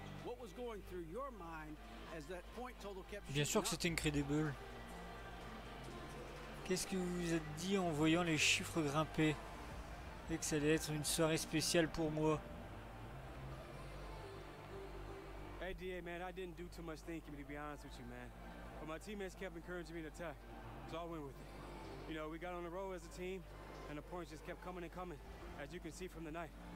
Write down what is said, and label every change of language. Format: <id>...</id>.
<en>What was going through your mind as that point total kept shooting?</en> <fr>Bien sûr que c'était incroyable. Qu'est-ce que vous êtes dit en voyant les chiffres grimper et que ça allait être une soirée spéciale pour moi?</fr> <en>Hey DA man, I didn't do too much thinking to be honest with you man. But my teammates kept encouraging me to attack. So I went with it. You know, we got on the road as a team and the points just kept coming and coming as you can see from the night.</en>